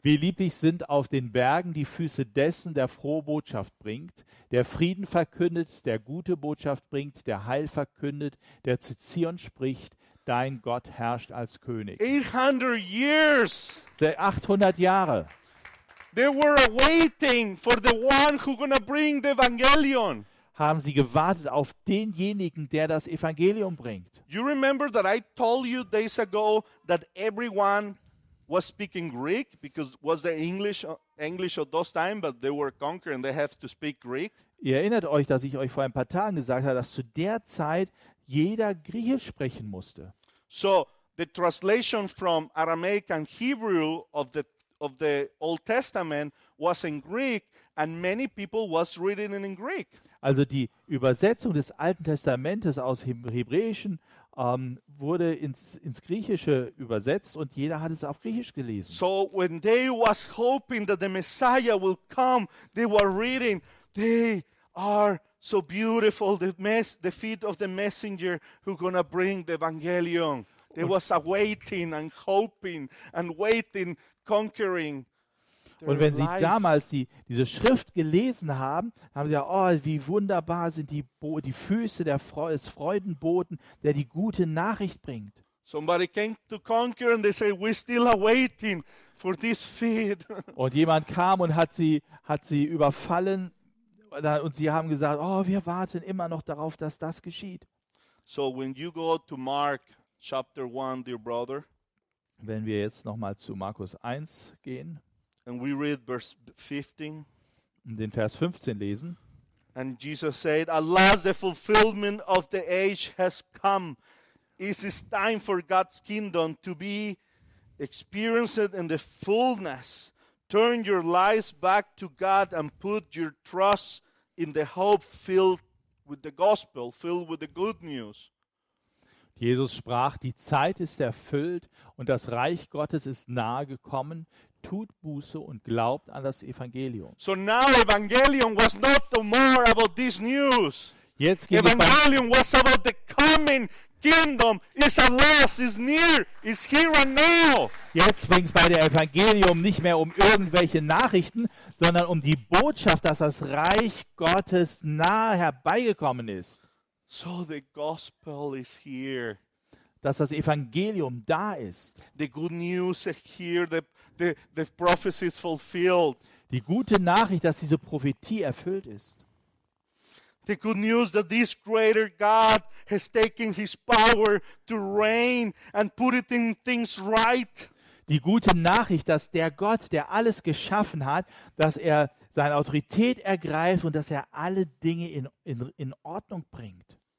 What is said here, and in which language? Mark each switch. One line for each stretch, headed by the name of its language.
German: Wie lieblich sind auf den Bergen die Füße dessen, der frohe Botschaft bringt, der Frieden verkündet, der gute Botschaft bringt, der Heil verkündet, der zu Zion spricht, dein Gott herrscht als König.
English: 800 years.
German: 800 Jahre.
English: They were waiting for the one who gonna bring the evangelion.
German: Haben sie gewartet auf denjenigen, der das Evangelium bringt?
English: You remember that I told you days ago that everyone was speaking Greek because it was the English of those time, but they were conquered and they have to speak Greek.
German: Ihr erinnert euch, dass ich euch vor ein paar Tagen gesagt habe, dass zu der Zeit jeder Griechisch sprechen musste.
English: So the translation from Aramaic and Hebrew of the Old Testament was in Greek, and many people was reading it in Greek.
German: Also die Übersetzung des Alten Testamentes aus Hebräischen wurde ins Griechische übersetzt und jeder hat es auf Griechisch gelesen.
English: So when they was hoping that the Messiah will come, they were reading. They are so beautiful, the feet of the messenger who gonna bring the evangelion. They was waiting and hoping and waiting, conquering.
German: Und wenn sie damals diese Schrift gelesen haben, haben sie gesagt, oh, wie wunderbar sind die Füße des Freudenboten, der die gute Nachricht bringt.
English: Somebody came to conquer and they say, we still are waiting for this feed.
German: Und jemand kam und hat sie überfallen und sie haben gesagt, oh, wir warten immer noch darauf, dass das geschieht.
English: So when you go to Mark chapter 1, dear brother,
German: wenn wir jetzt nochmal zu Markus 1 gehen
English: and we read verse 15,
German: und den Vers 15 lesen.
English: And Jesus said, alas, the fulfillment of the age has come. It is time for God's kingdom to be experienced in the fullness. Turn your lives back to God and put your trust in the hope filled with the gospel, filled with the good news.
German: Jesus sprach, die Zeit ist erfüllt und das Reich Gottes ist nahe gekommen. Tut Buße und glaubt an das Evangelium.
English: So now Evangelium was not more about this news.
German: Jetzt geht
English: Evangelium was about the coming kingdom. It's at last, it's near, it's here and now.
German: Jetzt ging es bei der Evangelium nicht mehr um irgendwelche Nachrichten, sondern um die Botschaft, dass das Reich Gottes nahe herbeigekommen ist.
English: So the gospel is here.
German: Dass das Evangelium da ist.
English: The good news is here, the prophecy is fulfilled.
German: Die gute Nachricht, dass diese Prophetie erfüllt ist.
English: The good news that this greater God has taken his power to reign and put it in things right.
German: Die gute Nachricht, dass der Gott, der alles geschaffen hat, dass er seine Autorität ergreift und dass er alle Dinge in Ordnung bringt.